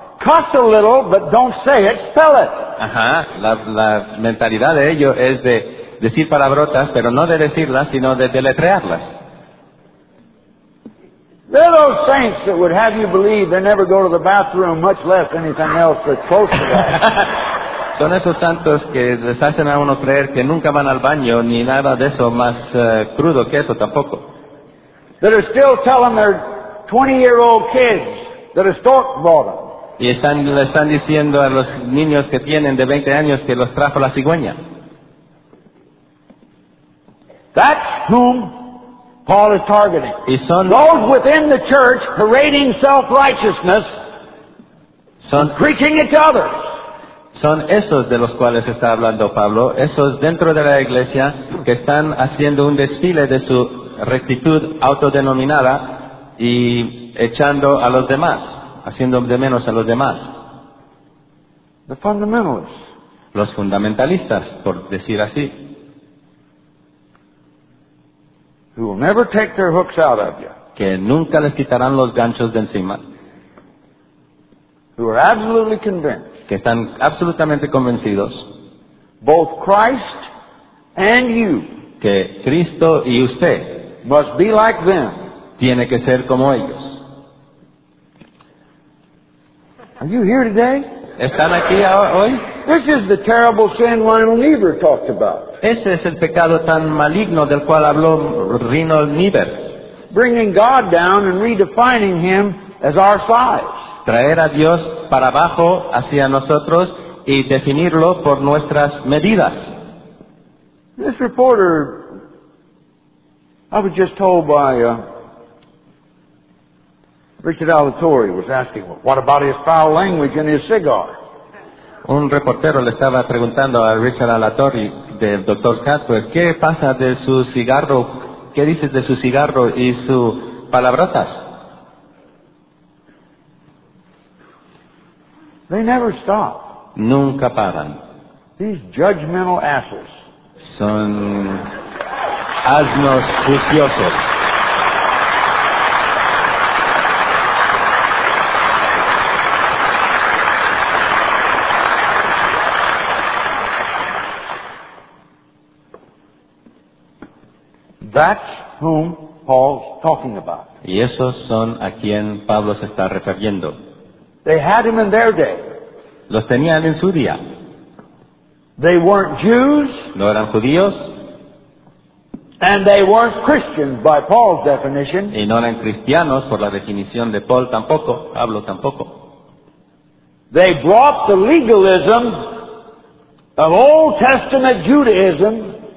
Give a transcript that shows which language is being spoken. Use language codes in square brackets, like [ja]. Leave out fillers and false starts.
[en] Cuss a little, but don't say it, spell it. [es] La mentalidad de ellos es de decir palabrotas, pero no de decirlas, sino de deletrearlas. [en] They're those saints that would have you believe they never go to the bathroom, much less anything else that's close to that. [es] Son esos santos que les hacen a uno creer que nunca van al baño, ni nada de eso más crudo que eso tampoco. [en] That are still telling their 20-year-old kids that a stork bought them. [es] Y le están diciendo a los niños que tienen de 20 años que los trajo la cigüeña. [en] That's whom Paul is targeting. [es] Y son [en] those within the church parading self-righteousness, [es] son [en] preaching it to others. [es] Son esos de los cuales está hablando Pablo, esos dentro de la iglesia que están haciendo un desfile de su rectitud autodenominada y echando a los demás. Haciendo de menos a los demás. [en] The fundamentalists. [es] Los fundamentalistas, por decir así. [en] Who will never take their hooks out of you. [es] Que nunca les quitarán los ganchos de encima. [en] Who are absolutely convinced. [es] Que están absolutamente convencidos. [en] Both Christ and you. [es] Que Cristo y usted. [en] Must be like them. [es] Tiene que ser como ellos. [en] Are you here today? [es] ¿Están aquí hoy? [en] This is the terrible sin Lionel Niebuhr talked about. [es] Ese es el pecado tan maligno del cual habló Lionel Niebuhr. [en] Bringing God down and redefining Him as our size. [es] Traer a Dios para abajo hacia nosotros y definirlo por nuestras medidas. [en] This reporter, I was just told by Richard Alatorre was asking, what about his foul language and his cigar? [es] Un reportero le estaba preguntando a Richard Alatorre del Dr. Casper, ¿qué pasa de su cigarro? ¿Qué dices de su cigarro y sus palabrotas? [en] They never stop. [es] Nunca paran. [en] These judgmental assholes. [es] Son asnos juiciosos. [en] That's whom Paul's talking about. [es] Y esos son a quien Pablo se está refiriendo. [en] They had him in their day. [es] Los tenían en su día. [en] They weren't Jews. [es] No eran judíos. [en] And they weren't Christians by Paul's definition. [es] Y no eran cristianos por la definición de Paul tampoco, Pablo tampoco. [en] They brought the legalism of Old Testament Judaism.